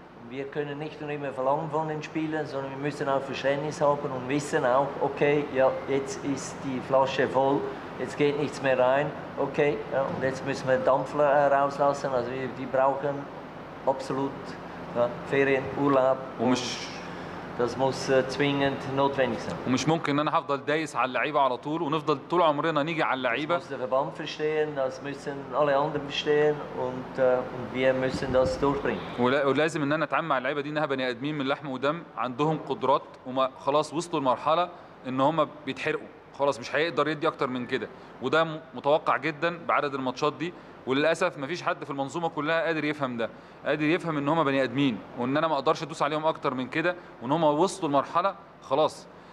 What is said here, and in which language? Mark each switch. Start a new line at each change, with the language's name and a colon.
German: Wir können nicht nur immer verlangen von den Spielern, sondern wir müssen auch Verständnis haben und wissen auch, okay, ja, jetzt ist die Flasche voll, jetzt geht nichts mehr rein, okay, ja, und jetzt müssen wir Dampf rauslassen. Also wir die brauchen absolut ja, Ferien, Urlaub und das muss zwingend notwendig sein.
Arabic: Und مش ممكن ان انا هفضل دايس على اللعيبه على طول ونفضل طول عمرنا نيجي على اللعيبه.
German: Das muss der Verband verstehen, das müssen alle anderen verstehen und wir müssen das durchbringen.
Arabic: ولازم ان انا اتعامل مع اللعيبه دي انها بني ادمين من لحم ودم عندهم قدرات وما خلاص وصلوا لمرحله ان هم بيتحرقوا خلاص مش هيقدر يدي اكتر من كده وده متوقع جدا بعدد الماتشات دي وللاسف مفيش حد في المنظومه كلها قادر يفهم ده قادر يفهم ان هم بني ادمين وان انا ما اقدرش ادوس عليهم اكتر من كده وان هم وصلوا لمرحله خلاص